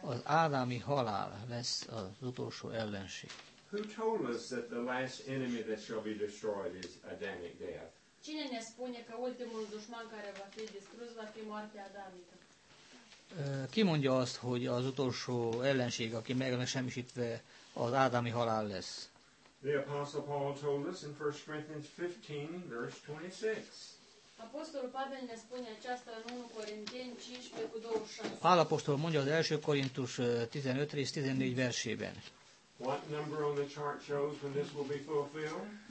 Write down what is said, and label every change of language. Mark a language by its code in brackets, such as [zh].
[hu] Az ádámi halál lesz az utolsó ellenség. [en] Who told us that the last enemy that shall be destroyed is adamic death? [ro] Cine ne spune că ultimul dușman care va fi distrus va fi moartea adamică? [hu] Ki mondja azt, hogy az utolsó ellenség, aki meg van semmisítve, az ádámi halál lesz? [en] The Apostle Paul told us in 1 Corinthians 15, verse 26. [ro] Apostol Pavel ne spune aceasta în 1 Corinteni 15, 26. [hu] Pál apostol mondja az 1 Korintus 15 rész 14 versében. [en] What number on the chart shows when this will be fulfilled?